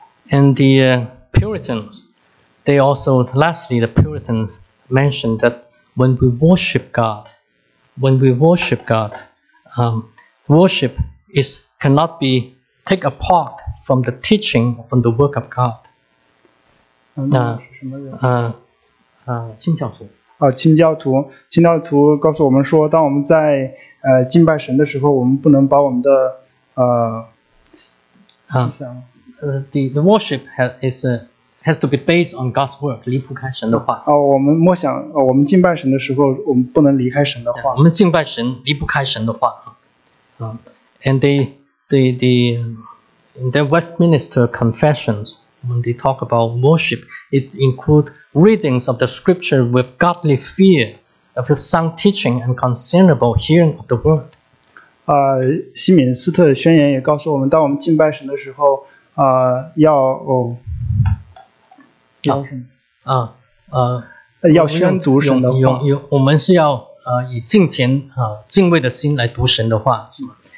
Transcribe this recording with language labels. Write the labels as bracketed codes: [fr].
[en] And the Puritans, they also, lastly, the Puritans mentioned that when we worship God, worship cannot be take apart from the teaching, from the work of God. [zh] 清教徒告诉我们说，当我们在敬拜神的时候，我们不能把我们的 [en] The worship has to be based on God's work, [zh] 离不开神的话。我们默想，我们敬拜神的时候，我们不能离开神的话。我们敬拜神，离不开神的话。 [en] And the Westminster Confessions, when they talk about worship, it includes readings of the scripture with godly fear, with sound teaching and considerable hearing of the word. [zh] 西敏斯特宣言也告诉我们，当我们敬拜神的时候，要宣读神的话，我们是要以敬虔敬畏的心来读神的话，是吗？